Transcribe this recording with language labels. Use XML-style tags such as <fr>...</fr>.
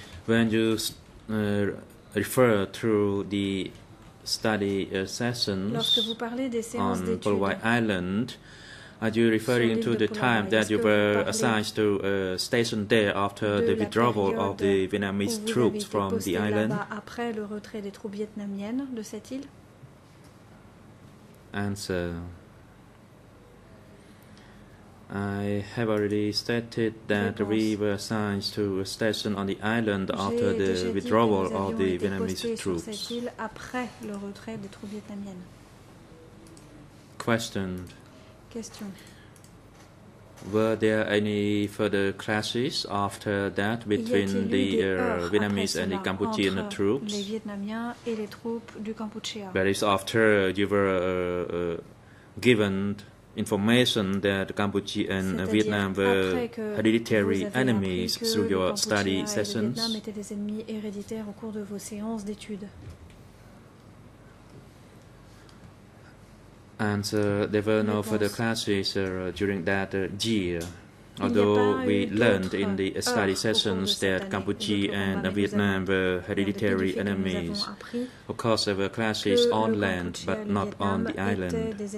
<en>When you refer to the study sessions on Pulawai Island, are you referring to the time that you were assigned to a station there after the withdrawal of the Vietnamese troops from the island?</en> <fr>Après le retrait des troupes vietnamiennes de cette île?</fr> <en>Answer. I have already stated that</en> <fr>réponse.</fr> <en>We were assigned to a station on the island</en> <fr>j'ai</fr> <en>after the withdrawal of the Vietnamese troops.</en> <fr>Sur cette île après le retrait des troupes vietnamiennes.</fr> <en>Question.</en> <fr>Question.</fr> <en>Were there any further clashes after that between the Vietnamese and the Cambodian troops?</en> <fr>Les Vietnamiens et les troupes du Cambodia.</fr> <en>That is after you were given information that Cambodia and</en> <fr>c'est-à-dire</fr> <en>Vietnam were hereditary enemies through your study sessions.</en> <fr>Vietnam étaient des ennemis héréditaires au cours de vos séances d'études.</fr> <en>And there were no further classes during that year. Although we learned in the study sessions that Cambodia and Vietnam were hereditary enemies, of course there were classes on land but not on the island.</en>